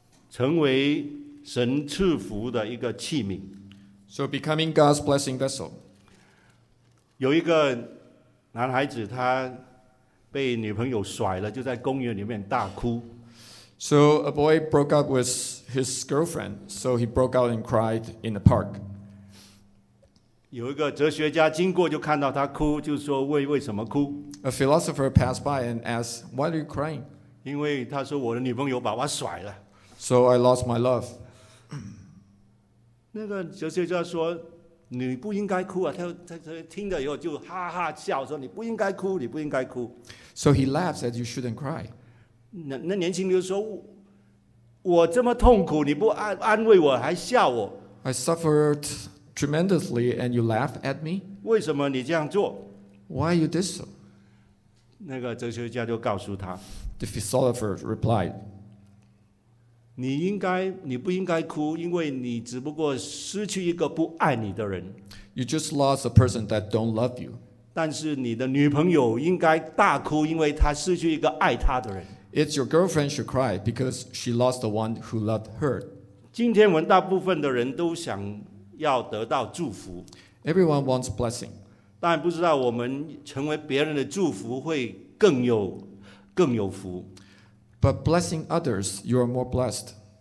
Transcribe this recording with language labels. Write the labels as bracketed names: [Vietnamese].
[Chinese] 成为神赐福的一个器皿。 [English] So becoming God's blessing vessel. [Chinese] 有一个男孩子他被女朋友甩了，就在公园里面大哭。 [English] So a boy broke up with his girlfriend, so he broke out and cried in the park. [Chinese] 有一个哲学家经过就看到他哭，就说为什么哭？ [English] A philosopher passed by and asked, "Why are you crying?" [Chinese] 因为他说我的女朋友把我甩了。 [English] So I lost my love. [Chinese] 那个哲学家说你不应该哭啊，他听了以后就哈哈笑说你不应该哭，你不应该哭。 [English] So he laughed that you shouldn't cry. [Chinese] 那年轻人说我这么痛苦你不安慰我还笑我。 [English] I suffered tremendously and you laugh at me? [Chinese] 为什么你这样做？ [English] Why you did so? [Chinese] 那个哲学家就告诉他。 [English] The philosopher replied, [Chinese] 你不应该哭，因为你只不过失去一个不爱你的人。 [English] You just lost a person that don't love you. [Chinese] 但是你的女朋友应该大哭，因为她失去一个爱她的人。 [English] It's your girlfriend should cry because she lost the one who loved her. [Chinese] 今天我们大部分的人都想要得到祝福。 [English] Everyone wants blessing. [Chinese] 但不知道我们成为别人的祝福会更有福。 [English] But blessing others, you are more blessed.